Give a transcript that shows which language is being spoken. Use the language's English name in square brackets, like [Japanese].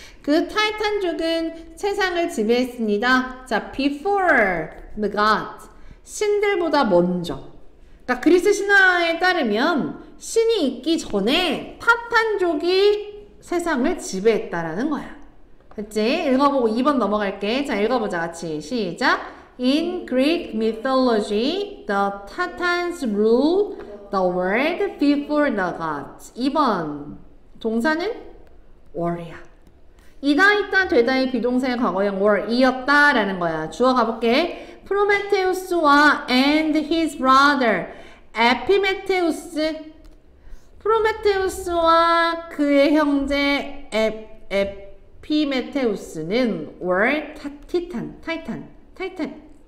[Korean] 그 타이탄족은 세상을 지배했습니다. 자, [English] before the gods, [Korean] 신들보다 먼저. 그러니까 그리스 신화에 따르면 신이 있기 전에 타탄족이 세상을 지배했다라는 거야. 그치? 읽어보고 2번 넘어갈게. 자, 읽어보자. 같이. 시작. [English] In Greek mythology, the Tatans rule the world before the gods. [Korean] 2번. 동사는 were야. 이다 되다의 비동사의 과거형 were 이었다라는 거야. 주어 가볼게. [English] Prometheus와 and his brother, Epimetheus. [Korean] 프로메테우스와 그의 형제 에피메테우스는 월 타티탄, 타이탄, 타이탄.